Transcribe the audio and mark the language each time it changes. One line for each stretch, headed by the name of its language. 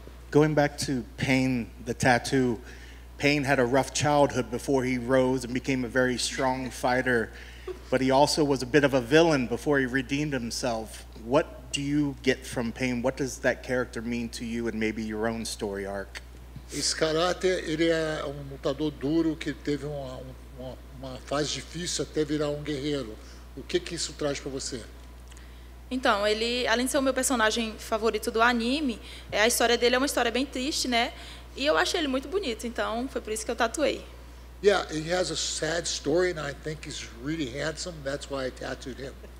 English: Going back to Payne, the tattoo, Payne had a rough childhood before he rose and became a very strong fighter, but he also was a bit of a villain before he redeemed himself. What do you get from Payne? What does that character mean to you and maybe your own story arc?
Portuguese: Esse caráter, ele é um lutador duro que teve uma fase difícil até virar um guerreiro. O que que isso traz para você? Então, ele, além de ser o meu personagem favorito do anime, a história dele é uma história bem triste, né? E eu achei ele muito bonito, então foi por isso que eu tatuei.
English: Yeah, he has a sad story and I think he's really handsome. That's why I tattooed him.